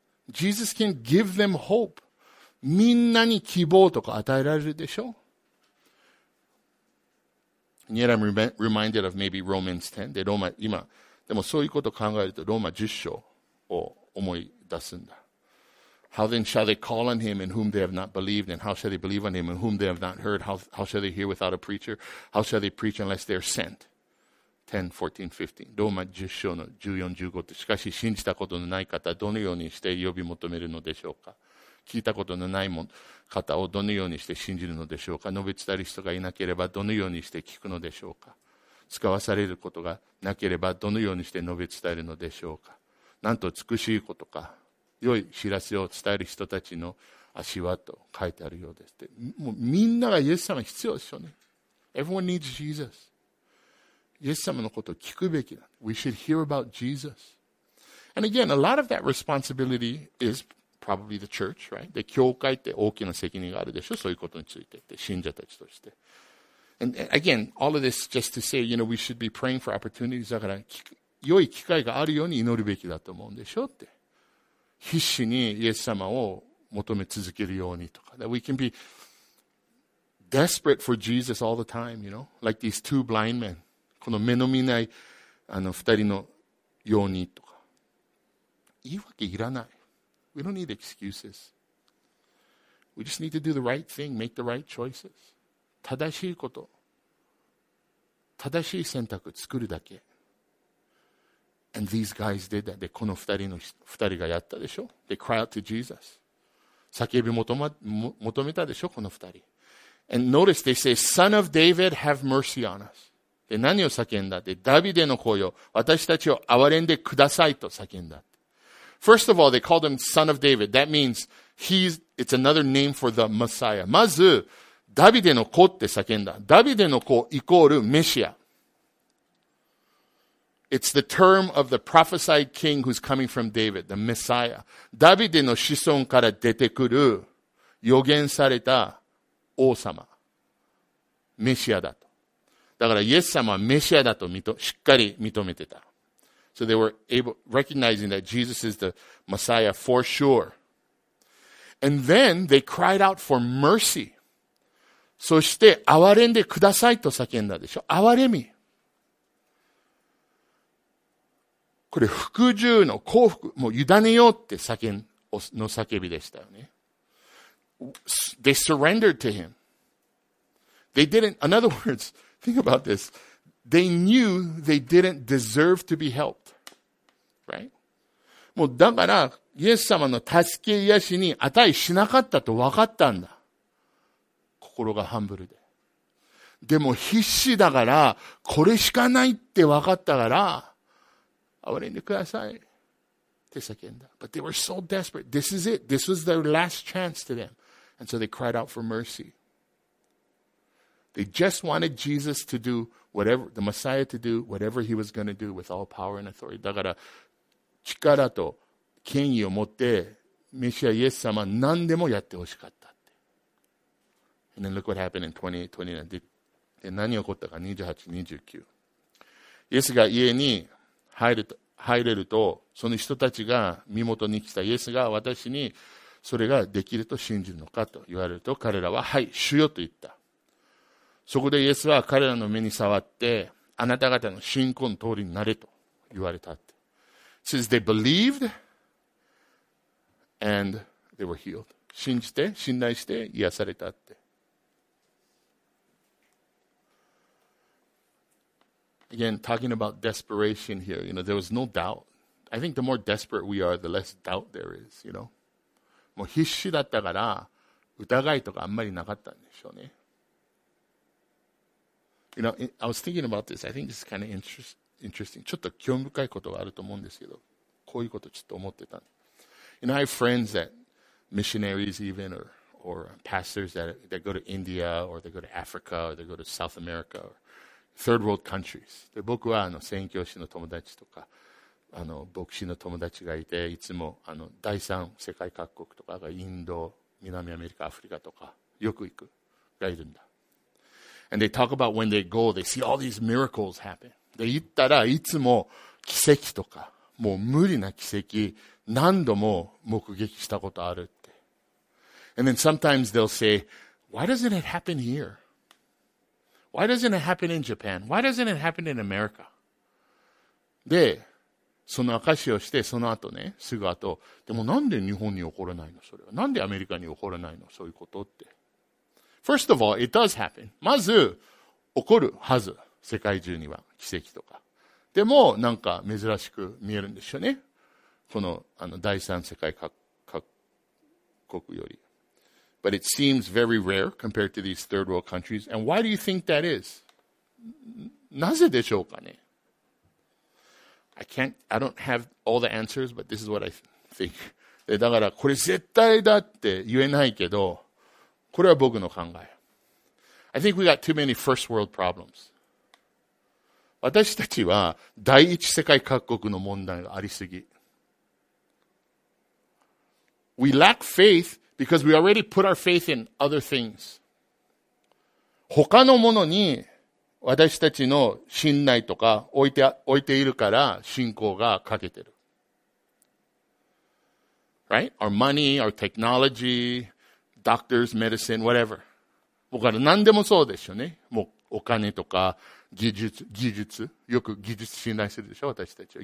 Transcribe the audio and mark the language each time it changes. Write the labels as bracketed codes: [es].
[en] Jesus can give them hope. [ja] みんなに希望とか与えられるでしょ。 [en] And yet I'm reminded of maybe Romans 10. [ja] で、ローマ、今。でもそういうことを考えると、ローマ10章を思い出すんだ。 [en] How then shall they call on him in whom they have not believed? And how shall they believe on him in whom they have not heard? How shall they hear without a preacher? How shall they preach unless they are sent? [ja] 10, 14, 15. ローマ10章の14、15って。しかし信じたことのない方、どのようにして呼び求めるのでしょうか？聞いたことのない方をどのようにして信じるのでしょうか？述べ伝える人がいなければどのようにして聞くのでしょうか？使わされることがなければどのようにして述べ伝えるのでしょうか？なんと美しいことか。良い知らせを伝える人たちの足はと書いてあるようですって。もうみんながイエス様必要でしょうね。 [en] Everyone needs Jesus. [ja] イエス様のことを聞くべきだ。 [en] We should hear about Jesus. And again, a lot of that responsibility is probably the church, right? [ja] で、教会って大きな責任があるでしょ、そういうことについてって、信者たちとして。 [en] And again, all of this just to say, you know, we should be praying for opportunities. [ja] だから、良い機会があるように祈るべきだと思うんでしょうって。必死にイエス様を求め続けるようにとか。 [en] That we can be desperate for Jesus all the time, you know? Like these two blind men. [ja] この目の見ない二人のようにとか。言い訳いらない。 [en] We don't need excuses. We just need to do the right thing, make the right choices. [ja] 正しいこと。正しい選択を作るだけ。 [en] And these guys did that. [ja] で、この二人がやったでしょ？ [en] They cry out to Jesus. [ja] 叫び求めたでしょ、この二人。 [en] And notice they say, Son of David, have mercy on us. [ja] で、何を叫んだって、ダビデの子よ、私たちを憐れんでくださいと叫んだ。 [en] First of all, they called him Son of David. That means he's, it's another name for the Messiah. [ja] まず、ダビデの子って叫んだ。ダビデの子イコールメシア。 [en] It's the term of the prophesied king who's coming from David, the Messiah. [ja] ダビデの子孫から出てくる予言された王様。メシアだと。だからイエス様はメシアだとしっかり認めてた。 [en] So they were able, recognizing that Jesus is the Messiah for sure. And then they cried out for mercy. [ja] そして、憐れんでくださいと叫んだでしょ。憐れみ。これ、服従の幸福、もう委ねようって叫ん、の叫びでしたよね。 [en] They surrendered to him. They didn't, in other words, think about this. They knew they didn't deserve to be helped. Right? [ja] もうだから、イエス様の助け癒しに値しなかったと分かったんだ。心がハンブルで。でも必死だから、これしかないって分かったから、憐れんでください。って叫んだ。 [en] But they were so desperate. This is it. This was their last chance to them. And so they cried out for mercy. They just wanted Jesus to do whatever, the Messiah to do whatever he was going to do with all power and authority. [ja] だから、力と権威を持って、メシアイエス様何でもやってほしかったって。 [en] And then look what happened in 28, 29. [ja] で、何起こったか、28、29。イエスが家に入れると、その人たちが身元に来た。イエスが私にそれができると信じるのかと言われると、彼らは、はい、主よと言った。そこでイエスは彼らの目に触って、あなた方の信仰の通りになれと言われたって。 [en] Since they believed and they were healed. [ja] 信じて、信頼して、癒されたって。 [en] Again, talking about desperation here, you know, there was no doubt. I think the more desperate we are, the less doubt there is, you know. [ja] もう必死だったから、疑いとかあんまりなかったんでしょうね。 [en] You know, I was thinking about this. I think this is kind of interesting. [ja] ちょっと興味深いことがあると思うんですけど、こういうことちょっと思ってた。 [en] You know, I have friends that, missionaries even, or pastors that go to India, or they go to Africa, or they go to South America, or third world countries. [ja] で、僕は、宣教師の友達とか、牧師の友達がいて、いつも、第三世界各国とかが、インド、南アメリカ、アフリカとか、よく行く、がいるんだ。 [en] And they talk about when they go, they see all these miracles happen. [ja] で、言ったらいつも奇跡とか、もう無理な奇跡、何度も目撃したことあるって。 [en] And then sometimes they'll say, why doesn't it happen here? Why doesn't it happen in Japan? Why doesn't it happen in America? [ja] で、その証をして、その後ね、すぐ後、でもなんで日本に起こらないの、それは。なんでアメリカに起こらないの、そういうことって。 [en] First of all, it does happen. [ja] まず、起こるはず。世界中には奇跡とか。でも、なんか珍しく見えるんでしょうね。この、第三世界各国より。 [en] But it seems very rare compared to these third world countries. And why do you think that is? [ja] なぜでしょうかね。 [en] I don't have all the answers, but this is what I think. [ja] で、だから、これ絶対だって言えないけど、これは僕の考え。 [en] I think we got too many first world problems. [ja] 私たちは第一世界各国の問題がありすぎ。 [en] We lack faith because we already put our faith in other things. [ja] 他のものに私たちの信頼とか置いているから信仰が欠けてる。 [en] Right? Our money, our technology, doctors, medicine, whatever. [ja] だから何でもそうですよね。もうお金とか。技術よく技術信頼するでしょ私たちは。